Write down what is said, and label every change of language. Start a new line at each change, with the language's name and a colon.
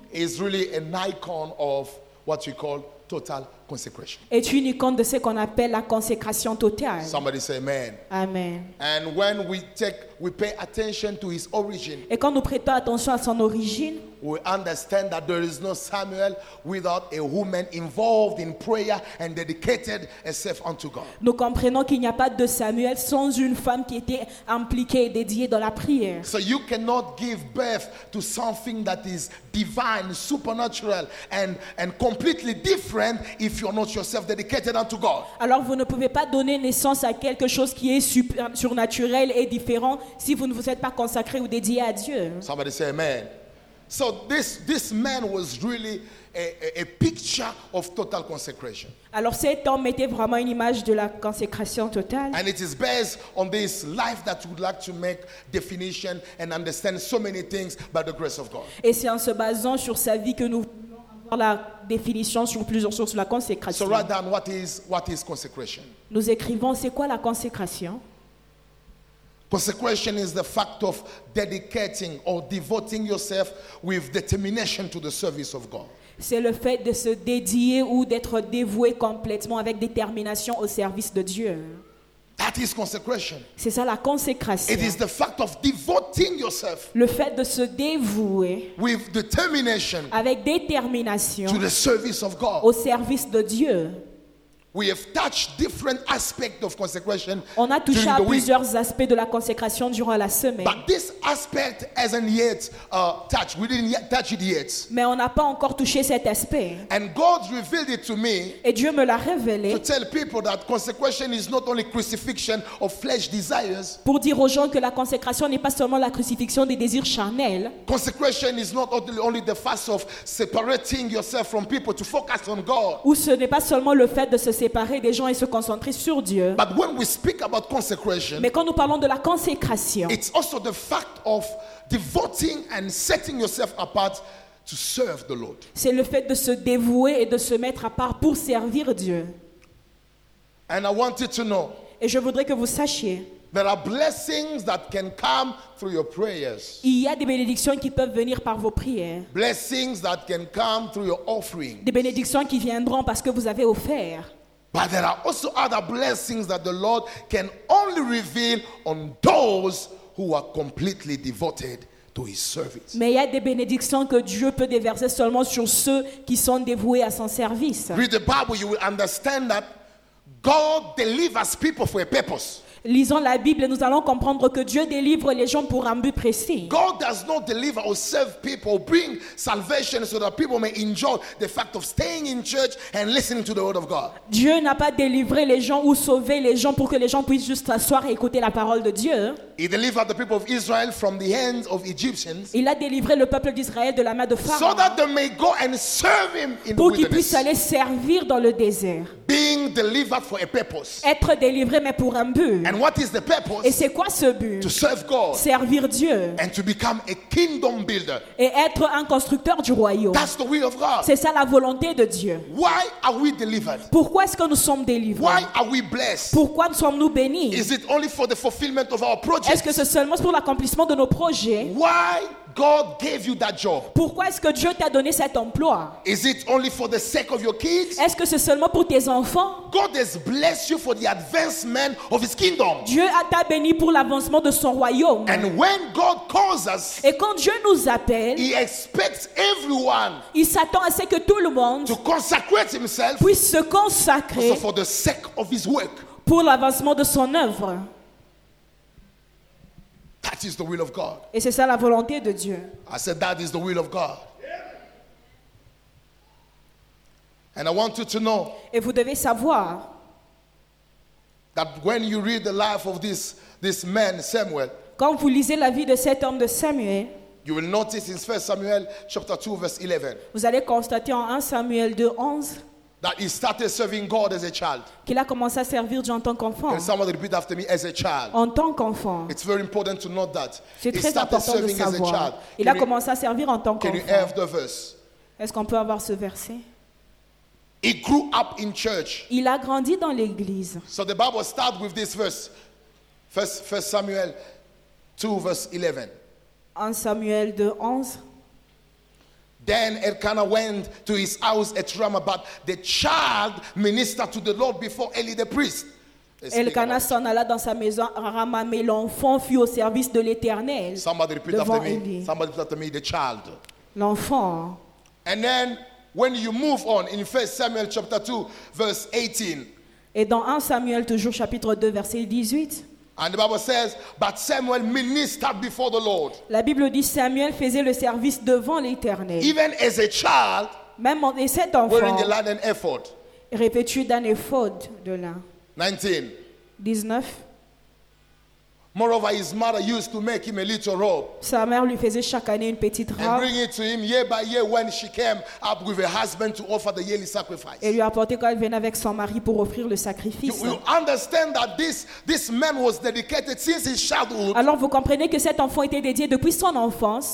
English: Is really an icon of what you call total consecration.
French: Est une icône de ce qu'on appelle la consécration totale.
English: Somebody say amen. Amen. And when we pay attention to his origin.
French: Et quand nous prêtons attention à son origine.
English: we understand that there is no Samuel without a woman involved in prayer and dedicated herself unto God.
French: Nous comprenons qu'il n'y a pas de Samuel sans une femme qui était impliquée et dédiée dans la prière.
English: So you cannot give birth to something that is divine, supernatural, and completely different if you're not yourself dedicated unto God.
French: Alors vous ne pouvez pas donner naissance à quelque chose qui est surnaturel et différent si vous ne vous êtes pas consacré ou dédié à Dieu.
English: Somebody say amen. So this man was really a picture of total consecration.
French: Alors cet homme était vraiment une image de la consécration totale.
English: And it is based on this life that would like to make definition and understand so many things by the grace of God.
French: Et c'est en se basant sur sa vie que nous voulons avoir la définition sur plusieurs choses sur la consécration.
English: So write down what is consecration.
French: Nous écrivons c'est quoi la consécration.
English: Consecration is the fact of dedicating or devoting yourself with determination to the service of God.
French: C'est le fait de se dédier ou d'être dévoué complètement avec détermination au service de Dieu.
English: That is consecration.
French: C'est ça la consécration.
English: It is the fact of devoting yourself.
French: Le fait de se dévouer.
English: With determination.
French: Avec détermination.
English: To the service of God.
French: Au service de Dieu.
English: We have touched different aspects of consecration.
French: On a touché à plusieurs aspects de la consécration durant la semaine.
English: But this aspect hasn't yet touched. We didn't yet touch it yet.
French: Mais on n'a pas encore touché cet aspect.
English: And God revealed it to me.
French: Et Dieu me l'a révélé.
English: To tell people that consecration is not only crucifixion of flesh desires.
French: Pour dire aux gens que la consécration n'est pas seulement la crucifixion des désirs charnels.
English: Consecration is not only the fact of separating yourself from people to focus on God.
French: Ou ce n'est pas seulement le fait de se séparer des gens et se concentrer sur Dieu.
English: But when we speak about consecration,
French: mais quand nous parlons de la consécration,
English: it's also the fact of devoting and setting yourself apart to serve the Lord.
French: C'est le fait de se dévouer et de se mettre à part pour servir Dieu.
English: And I want you to know,
French: et je voudrais que vous sachiez,
English: there are blessings that can come through your prayers.
French: Il y a des bénédictions qui peuvent venir par vos prières.
English: Blessings that can come through your offerings.
French: Des bénédictions qui viendront parce que vous avez offert.
English: But there are also other blessings that the Lord can only reveal on those who are completely devoted to his service.
French: Mais il y a des bénédictions que Dieu peut déverser seulement sur ceux qui sont dévoués à son service.
English: Read the Bible, you will understand that God delivers people for a purpose.
French: Lisons la Bible et nous allons comprendre que Dieu délivre les gens pour un but précis.
English: God does not deliver or save people, bring salvation so that people may enjoy the fact of staying in church and listening to the word of God.
French: Dieu n'a pas délivré les gens ou sauvé les gens pour que les gens puissent juste s'asseoir et écouter la parole de Dieu.
English: He delivered the people of Israel from the hands of Egyptians.
French: Il a délivré le peuple d'Israël de la main de Pharaon.
English: So that they may go and serve him in the wilderness.
French: Pour qu'ils puissent aller servir dans le désert.
English: Being delivered for a purpose.
French: Être délivré mais pour un but.
English: And what is the purpose?
French: Et c'est quoi ce but?
English: To serve God.
French: Servir Dieu.
English: And to become a kingdom builder.
French: Et être un constructeur du royaume.
English: That's the will of God.
French: C'est ça la volonté de Dieu.
English: Why are we delivered?
French: Pourquoi est-ce que nous sommes délivrés?
English: Why are we blessed?
French: Pourquoi nous sommes-nous bénis?
English: Is it only for the fulfillment of our project?
French: Est-ce que c'est seulement pour l'accomplissement de nos projets?
English: Why God gave you that job?
French: Pourquoi est-ce que Dieu t'a donné cet emploi?
English: Is it only for the sake of your kids?
French: Est-ce que c'est seulement pour tes enfants?
English: God has blessed you for the advancement of his kingdom.
French: Dieu t'a béni pour l'avancement de son royaume.
English: And when God calls us,
French: et quand Dieu nous appelle,
English: he expects everyone,
French: il s'attend à ce que tout le monde,
English: to consecrate himself,
French: puisse se consacrer,
English: also for the sake of his work,
French: pour l'avancement de son œuvre.
English: That is the will of God.
French: Et c'est ça la volonté de Dieu.
English: I said that is the will of God. Yeah. And I want you to know.
French: Et vous devez savoir.
English: That when you read the life of this man Samuel.
French: Quand vous lisez la vie de cet homme de Samuel.
English: You will notice in 1 Samuel chapter 2 verse 11.
French: Vous allez constater en 1 Samuel 2:11.
English: That he started serving God as a child.
French: Qu'il a commencé à servir Dieu en tant qu'enfant.
English: Can someone repeat after me, as a child?
French: En tant qu'enfant.
English: It's very important to note that.
French: C'est très important de savoir.
English: He started serving as a child.
French: Il a commencé à servir en tant qu'enfant.
English: Can you have the verse?
French: Est-ce qu'on peut avoir ce verset?
English: He grew up in church.
French: Il a grandi dans l'église.
English: So the Bible starts with this verse. 1 Samuel 2 verse 11.
French: 1 Samuel 2:11.
English: Then Elkanah went to his house at Ramah, but the child ministered to the Lord before Eli the priest.
French: Elkanah s'en alla dans sa maison à Ramah, mais l'enfant fut au service de l'Éternel.
English: Somebody repeat after me. Somebody repeat after me. The child.
French: L'enfant.
English: And then when you move on in 1 Samuel chapter 2 verse 18.
French: Et dans 1 Samuel toujours chapitre 2 verset 18.
English: And the Bible says, but Samuel ministered before the Lord.
French: La Bible dit Samuel faisait le service devant l'Éternel.
English: Even as a child,
French: même en cet enfant,
English: wearing the linen ephod.
French: Revêtu d'un ephod de lin.
English: 19.
French: 19.
English: Moreover, his mother used to make him a little robe.
French: Sa mère lui faisait chaque année une petite robe.
English: And bring it to him year by year when she came up with her husband to offer the yearly sacrifice.
French: Et lui apportait quand elle venait avec son mari pour offrir le sacrifice.
English: You understand that this man was dedicated since his childhood.
French: Alors vous comprenez que cet enfant était dédié depuis son enfance.